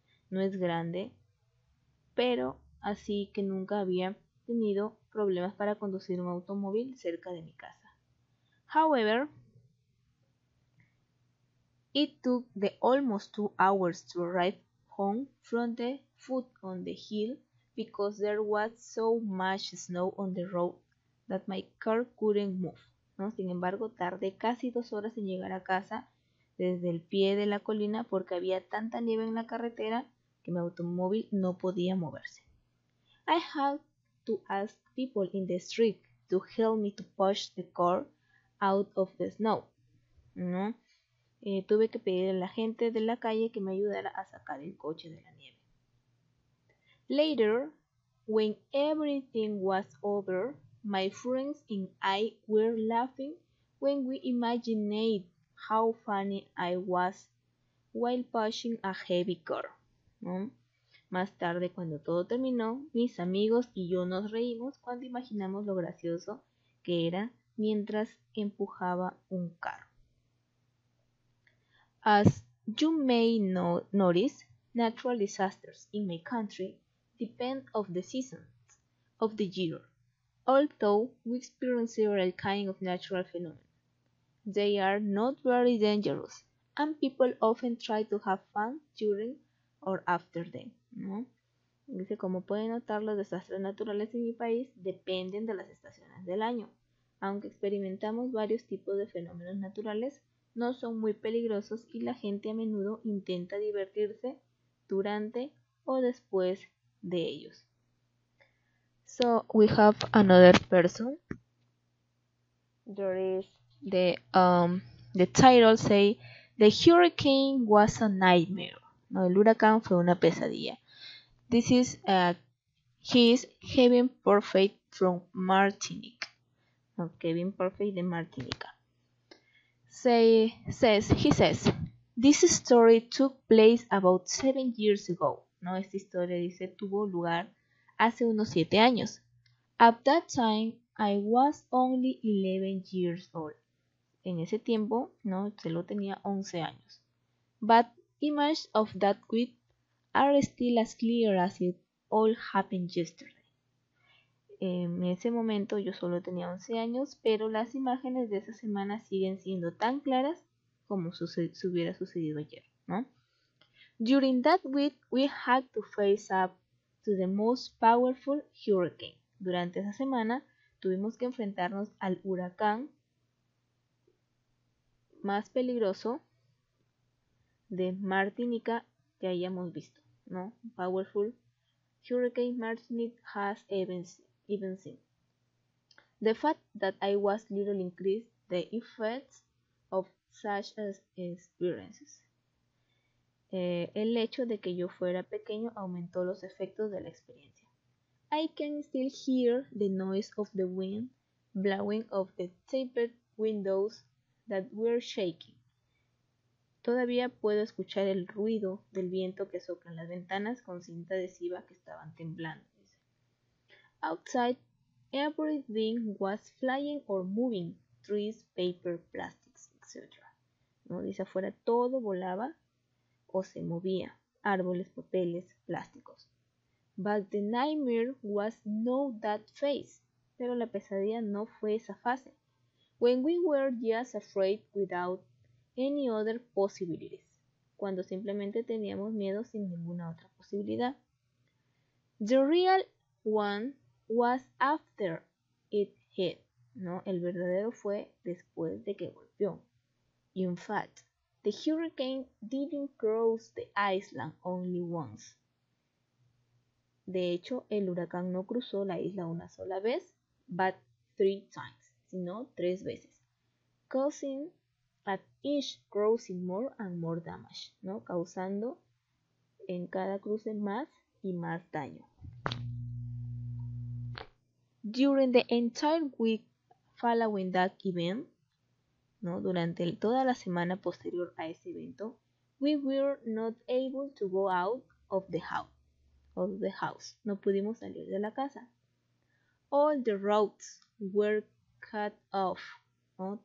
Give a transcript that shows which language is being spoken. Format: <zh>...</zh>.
<es>No es grande, pero así que nunca había tenido problemas para conducir un automóvil cerca de mi casa.</es> <en>However, it took the almost 2 hours to arrive home from the foot on the hill because there was so much snow on the road that my car couldn't move.</en> <es>¿No? Sin embargo, tardé casi 2 horas en llegar a casa desde el pie de la colina porque había tanta nieve en la carretera que mi automóvil no podía moverse.</es> <en>I had to ask people in the street to help me to push the car out of the snow, ¿no?</en> <es>Tuve que pedir a la gente de la calle que me ayudara a sacar el coche de la nieve.</es> <en>Later, when everything was over, my friends and I were laughing when we imagined how funny I was while pushing a heavy car, ¿no?</en> <es>Más tarde, cuando todo terminó, mis amigos y yo nos reímos cuando imaginamos lo gracioso que era mientras empujaba un carro.</es> <en>As you may notice, natural disasters in my country depend on the seasons of the year. Although we experience several kinds of natural phenomena, they are not very dangerous, and people often try to have fun during or after them, ¿no?</en> <es>Dice, como pueden notar, los desastres naturales en mi país dependen de las estaciones del año. Aunque experimentamos varios tipos de fenómenos naturales, no son muy peligrosos y la gente a menudo intenta divertirse durante o después de ellos.</es> <en>So, we have another person. There is the title say the hurricane was a nightmare.</en> <es>No, el huracán fue una pesadilla.</es> <en>This is he's Kevin Perfect from Martinique.</en> <es>No, Kevin Perfect de Martinica.</es> <en>He says this story took place about 7 years ago.</en> <es>No, esta historia dice tuvo lugar hace unos 7 años.</es> <en>At that time I was only 11 years old.</en> <es>En ese tiempo, no, solo tenía 11 años.</es> <en>But images of that quid are still as clear as it all happened yesterday.</en> <es>En ese momento yo solo tenía 11 años, pero las imágenes de esa semana siguen siendo tan claras como si hubiera sucedido ayer, ¿no?</es> <en>During that week, we had to face up to the most powerful hurricane.</en> <es>Durante esa semana, tuvimos que enfrentarnos al huracán más peligroso de Martinica que hayamos visto, ¿no?</es> <en>Powerful hurricane Martinique has even seen. The fact that I was little increased the effects of such experiences.</en> <es>El hecho de que yo fuera pequeño aumentó los efectos de la experiencia.</es> <en>I can still hear the noise of the wind blowing off the tempered windows that were shaking.</en> <es>Todavía puedo escuchar el ruido del viento que sopla en las ventanas con cinta adhesiva que estaban temblando.</es> <en>Outside, everything was flying or moving, trees, paper, plastics, etc. ¿No?</en> <es>Dice, afuera todo volaba o se movía, árboles, papeles, plásticos.</es> <en>But the nightmare was not that phase.</en> <es>Pero la pesadilla no fue esa fase.</es> <en>When we were just afraid without any other possibilities.</en> <es>Cuando simplemente teníamos miedo sin ninguna otra posibilidad.</es> <en>The real one was after it hit.</en> <es>No, el verdadero fue después de que golpeó.</es> <en>In fact, the hurricane didn't cross the island only once.</en> <es>De hecho, el huracán no cruzó la isla una sola vez,</es> <en>but 3 times,</en> <es>sino 3 veces.</es> <en>Causing at each crossing more and more damage, ¿no?</en> <es>Causando en cada cruce más y más daño.</es> <en>During the entire week following that event, ¿no?</en> <es>Durante toda la semana posterior a ese evento,</es> <en>we were not able to go out of the house.</en> <es>No pudimos salir de la casa.</es> <en>All the roads were cut off.</en> <es>¿No?</es>